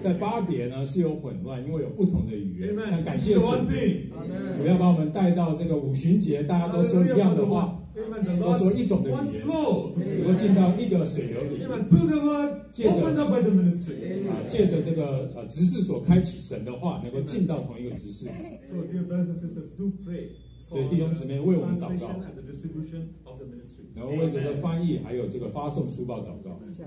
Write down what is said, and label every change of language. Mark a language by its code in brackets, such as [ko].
[zh] 在巴别呢是有混乱，因为有不同的语言。 [en] Amen. [zh] 但感谢主， [en] Amen. [zh] 主要把我们带到这个五旬节，大家都说一样的话， [en] Amen. [zh] 都说一种的语言， [en] Amen. 能 [zh] 够进到一个水流里。 [en] Amen. Through the word opened up by the ministry. [zh] 借着这个执事所开启神的话，能够进到同一个执事。 [en] So dear brothers and sisters, do pray. [zh] 所以弟兄姊妹为我们祷告。 [en] And the distribution of the ministry. [zh] 然后为这个翻译还有这个发送书报祷告。